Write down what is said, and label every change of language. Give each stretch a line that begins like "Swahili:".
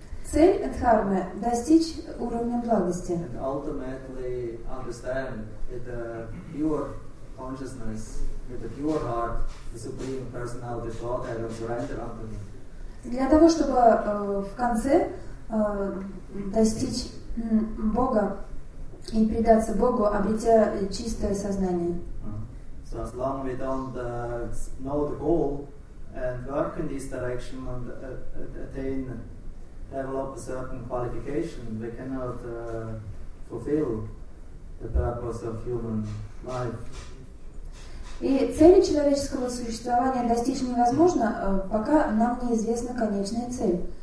Russian: Цель дхармы — достичь уровня благости.
English: And ultimately understand with a pure consciousness, with a pure heart, the Supreme Personality of Godhead and surrender unto Him.
Russian: Для того, чтобы в конце достичь Бога и предаться Богу, обретя чистое сознание.
English: So as long as we don't know the goal and work in this direction and attain develop a certain qualification, we cannot fulfill the purpose of human life.
Russian: И цели человеческого существования достичь невозможно, пока нам неизвестна конечная цель.